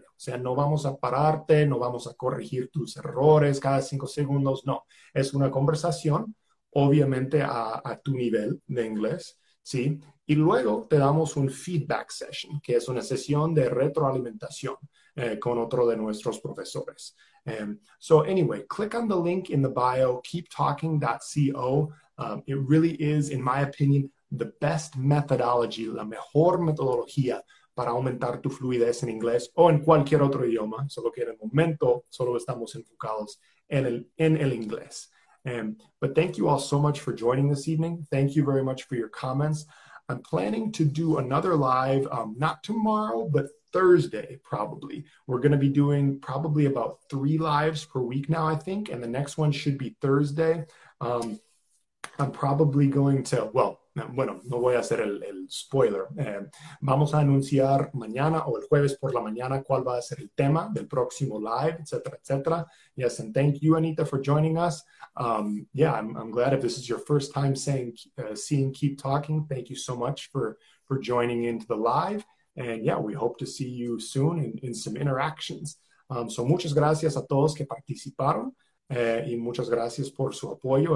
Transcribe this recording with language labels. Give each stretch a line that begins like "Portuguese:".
Spanish: O sea, no vamos a pararte, no vamos a corregir tus errores cada 5 segundos, no. Es una conversación, obviamente, a tu nivel de inglés, ¿sí? Y luego te damos un feedback session, que es una sesión de retroalimentación con otro de nuestros profesores.
English: So anyway, click on the link in the bio, keeptalking.co. It really is, in my opinion, the best methodology,
Spanish: la mejor metodología para aumentar tu fluidez en inglés o en cualquier otro idioma, solo que en el momento solo estamos enfocados en el inglés.
English: But thank you all so much for joining this evening. Thank you very much for your comments. I'm planning to do another live, not tomorrow, but Thursday, probably. We're going to be doing probably about 3 lives per week now, I think, and the next one should be Thursday. I'm probably going to, well,
Spanish: bueno, no voy a hacer el spoiler. Vamos a anunciar mañana o el jueves por la mañana cuál va a ser el tema del próximo live, etc., etc.
English: Yes, and thank you, Anita, for joining us. I'm glad if this is your first time seeing Keep Talking. Thank you so much for joining into the live. And yeah, we hope to see you soon in some interactions.
Spanish: So muchas gracias a todos que participaron. Y muchas gracias por su apoyo.